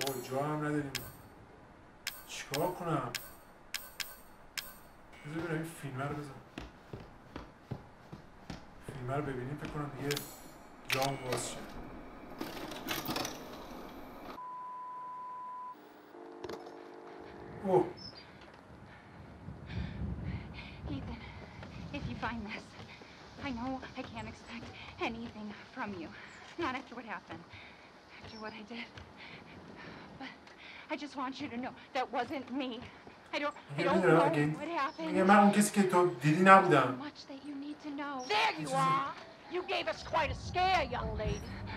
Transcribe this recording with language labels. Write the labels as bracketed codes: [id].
[fa] جا هم نداریم چیکار کنم بذار ببینم این فیلمه رو بزنم فیلمه رو ببینیم فکر کنم دیگه جام باز شد اوه [en] Ethan if you find this I know I can't expect anything from you not after what happened after what I did but I just want you to know that wasn't me I don't know what happened. [fa] من اون کسی که تو دیدی نبودم. [en] There you are. You gave us quite a scare, young lady.